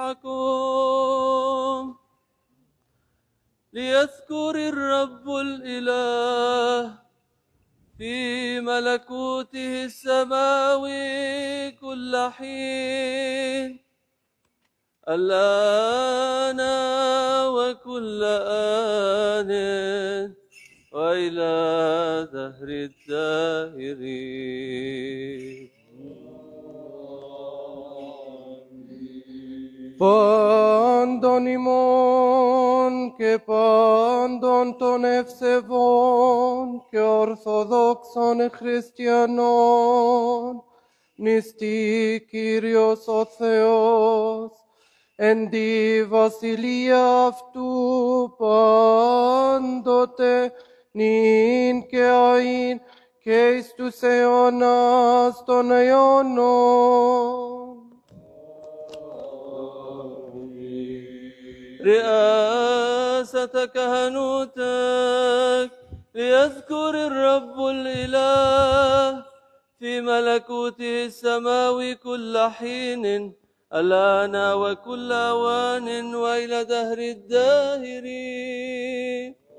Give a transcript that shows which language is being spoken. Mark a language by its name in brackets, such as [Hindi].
[Arabic] جميعكم ليذكر الرب الإله في ملكوته السماوي كل حين الآن وكل آن وإلى دهر الدائرين. [Greek] Πάντων ημών και πάντων των ευσεβών και ορθοδόξων χριστιανών, νηστή Κύριος ο Θεός, εν τη βασιλεία αυτού πάντοτε, νυν και αΐν και εις τους αιώνας των αιώνων. [Arabic] رئاسة كهنوتك ليذكر الرب الإله في ملكوته السماوي كل حين الآن وكل أوان وإلى دهر الداهرين.